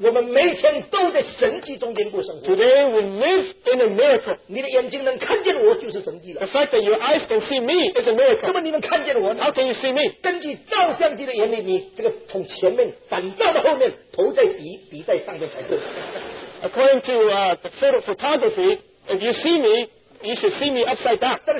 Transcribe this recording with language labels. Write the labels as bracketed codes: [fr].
[zh] 我们每天都在神迹中间过生活。 [en] Today we live in a miracle. The fact that your eyes can see me is a miracle. [zh] 那么你能看见我呢? [en] How can you see me? [zh] 根据照相机的原理, 你这个从前面, 反照到后面, 头在比, 比在上面才对。 [en] According to the photography, if you see me, you should see me upside down.